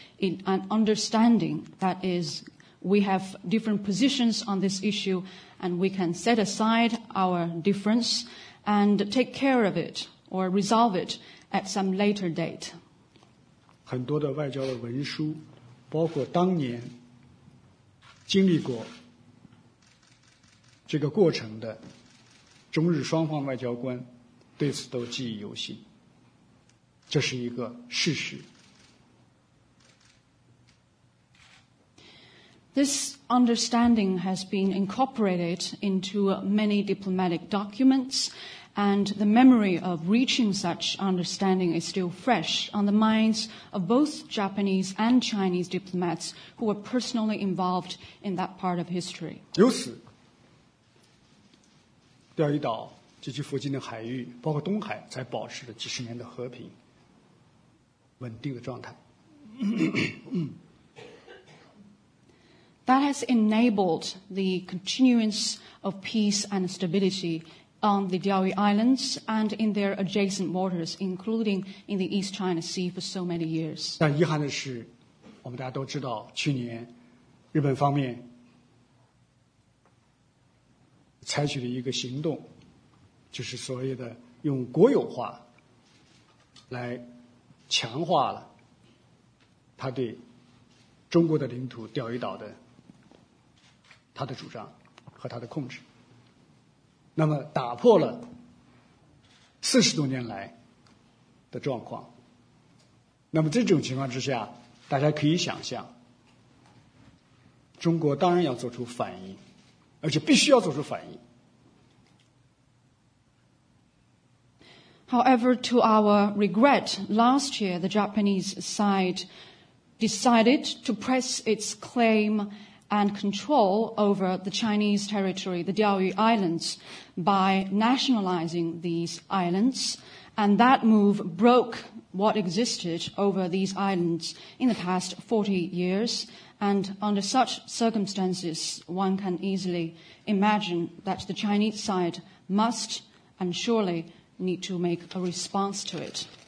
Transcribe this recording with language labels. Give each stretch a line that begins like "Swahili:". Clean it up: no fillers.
English: In an understanding, that is, we have different positions on this issue and we can set aside our difference and take care of it or resolve it at some later date.
Chinese: 很多的外交的文书，包括当年经历过这个过程的中日双方外交官，对此都记忆犹新。这是一个事实。
English: This understanding has been incorporated into many diplomatic documents, and the memory of reaching such understanding is still fresh on the minds of both Japanese and Chinese diplomats who were personally involved in that part of history.
Chinese: 由此，钓鱼岛及其附近的海域，包括东海，才保持了几十年的和平、稳定的状态。
English: That has enabled the continuance of peace and stability on the Diaoyu Islands and in their adjacent waters, including in the East China Sea for so many years.
Chinese: 但遗憾的是，我们大家都知道，去年日本方面采取了一个行动，就是所谓的用国有化来强化了他对中国的领土钓鱼岛的他的主张和他的控制，那么打破了40多年来的状况。那么这种情况之下，大家可以想象，中国当然要做出反应，而且必须要做出反应。
English: However, to our regret, last year the Japanese side decided to press its claim and control over the Chinese territory, the Diaoyu Islands, by nationalizing these islands, and that move broke what existed over these islands in the past 40 years, and under such circumstances, one can easily imagine that the Chinese side must and surely need to make a response to it.